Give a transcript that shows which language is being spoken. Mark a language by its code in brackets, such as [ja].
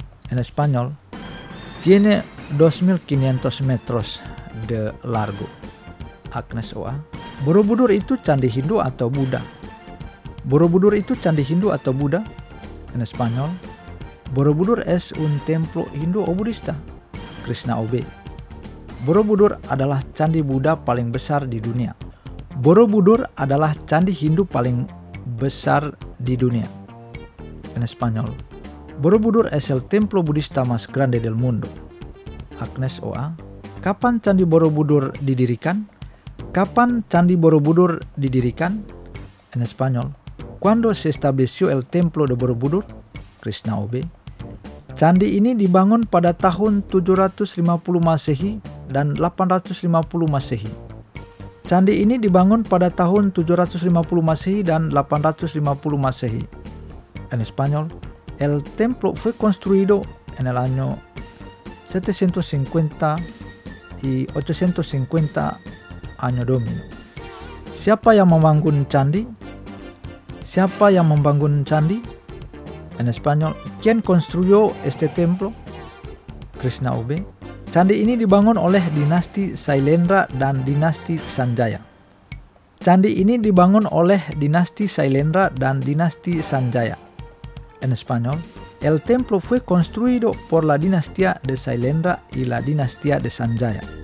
[es] En español, tiene 2.500 metros de largo. Agnes OA. [id] Borobudur itu candi Hindu atau Buddha? Borobudur itu candi Hindu atau Buddha? [es] En español, Borobudur es un templo Hindu o Budista. Krishna OB. [id] Borobudur adalah candi Buddha paling besar di dunia. Borobudur adalah candi Hindu paling besar di dunia. [es] En español, Borobudur es el templo budista más grande del mundo. Agnes OA. [id] Kapan Candi Borobudur didirikan? Kapan Candi Borobudur didirikan? [es] En español, ¿cuándo se estableció el templo de Borobudur? Krishna OB. [id] Candi ini dibangun pada tahun 750 Masehi dan 850 Masehi. Candi ini dibangun pada tahun 750 Masehi dan 850 Masehi. [es] En español, el templo fue construido en el año 750 y 850 año domino. [id] ¿Siapa yang membangun candi? ¿Siapa yang membangun candi? [es] En español, ¿quién construyó este templo? Krishna OB. [id] Candi ini dibangun oleh dinasti Sailendra dan dinasti Sanjaya. Candi ini dibangun oleh dinasti Sailendra dan dinasti Sanjaya. [es] En español, el templo fue construido por la dinastía de Sailendra y la dinastía de Sanjaya.